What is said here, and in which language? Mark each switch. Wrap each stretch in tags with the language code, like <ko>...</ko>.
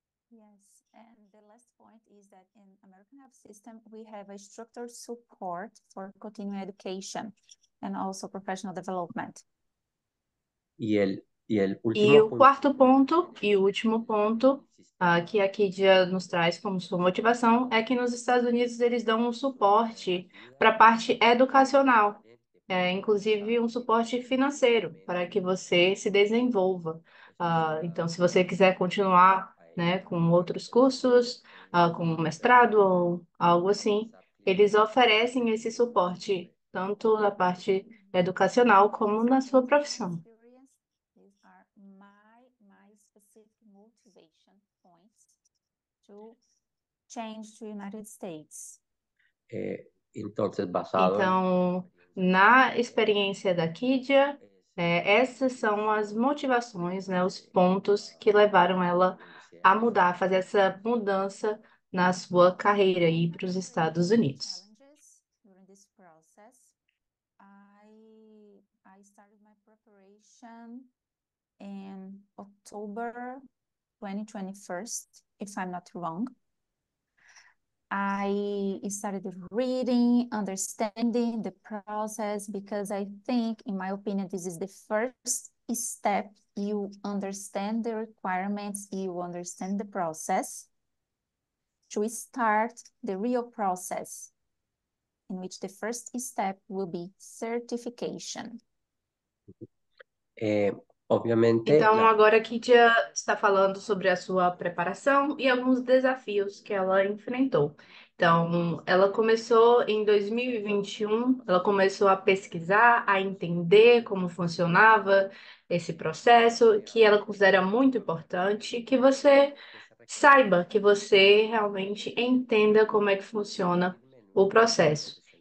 <en>Yes, and the last point is that in American health system, we have a structured support for continuing education and also professional development.</en> <pt>E el E último o ponto. quarto ponto, e o último ponto, que a Kidia nos traz como sua motivação, é que nos Estados Unidos eles dão um suporte para a parte educacional, inclusive um suporte financeiro para que você se desenvolva. Então, se você quiser continuar, né, com outros cursos, com mestrado ou algo assim, eles oferecem esse suporte, tanto na parte educacional como na sua profissão.</pt> <en>These are my specific motivation points to change to United States.</en> <pt>Então, na experiência da Kidia, essas são as motivações, né, os pontos que levaram ela a mudar, a fazer essa mudança na sua carreira e ir para os Estados Unidos.</pt> <en>During this process, I started my preparation in October 2021st, if I'm not wrong. I started reading, understanding the process, because I think, in my opinion, this is the first step. You understand the requirements, you understand the process to start the real process, in which the first step will be certification.</en> <pt>Obviamente, Então, agora a Kitia está falando sobre a sua preparação e alguns desafios que ela enfrentou. Então, ela começou em 2021, ela começou a pesquisar, a entender como funcionava esse processo, que ela considera muito importante que você saiba, que você realmente entenda como é que funciona o processo.</pt>